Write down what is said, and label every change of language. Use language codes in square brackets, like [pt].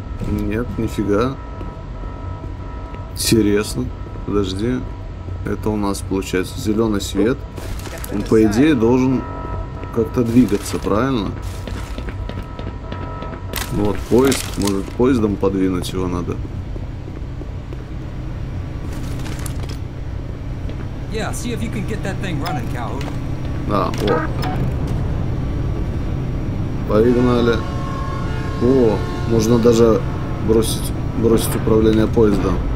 [ru] Нет, нифига. Интересно. Подожди. Это у нас получается зеленый свет. Он, по идее, должен как-то двигаться, правильно? Вот поезд, может, поездом подвинуть его надо. [en] Yeah, see if you can get that thing running, Calhoun. [ru] А, вот. Погнали. О, можно даже бросить управление поездом.